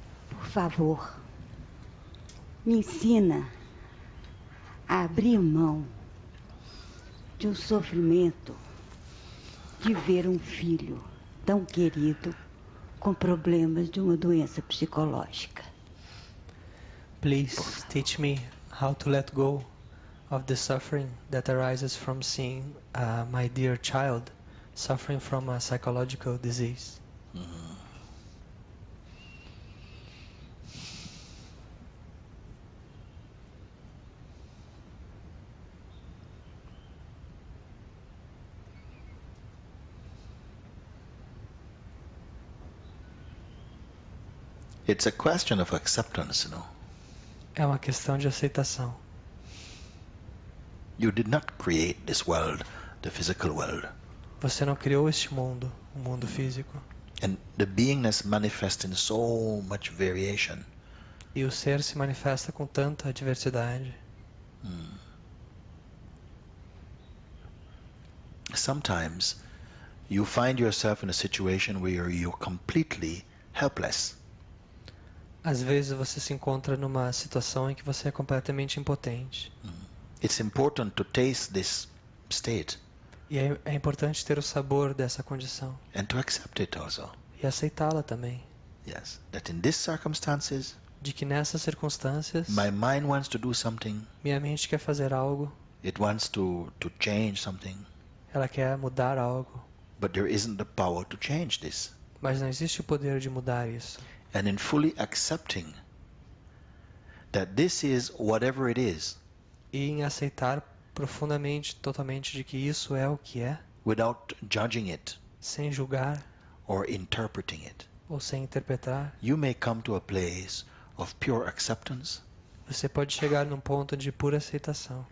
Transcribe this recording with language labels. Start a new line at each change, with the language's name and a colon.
Portuguese: Por favor, me ensina a abrir mão de um sofrimento de ver um filho tão querido com problemas de uma doença psicológica.
English: Please teach me how to let go of the suffering that arises from seeing my dear child suffering from a psychological disease. It's a question of acceptance, you know.
Portuguese: É uma questão de aceitação.
English: You did not create this world, the physical world.
Portuguese: Você não criou este mundo, o mundo físico.
English: And the beingness manifests in so much variation.
Portuguese: E o ser se manifesta com tanta diversidade.
English: Sometimes you find yourself in a situation where you're completely helpless.
Portuguese: Às vezes você se encontra numa situação em que você é completamente impotente.
English: It's important to taste this state.
Portuguese: E é importante ter o sabor dessa condição.
English: And to accept it also.
Portuguese: E aceitá-la também.
English: Yes, that in these circumstances.
Portuguese: De que nessas circunstâncias.
English: My mind wants to do something.
Portuguese: Minha mente quer fazer algo.
English: It wants to change something.
Portuguese: Ela quer mudar algo.
English: But there isn't the power to change this.
Portuguese: Mas não existe o poder de mudar isso.
English: And in fully accepting that this is whatever it is.
Portuguese: E em aceitar profundamente, totalmente de que isso é o que é.
English: Without judging it.
Portuguese: Sem julgar.
English: Or interpreting it.
Portuguese: Ou sem interpretar.
English: You may come to a place of pure acceptance.
Portuguese: Você pode chegar num ponto de pura aceitação.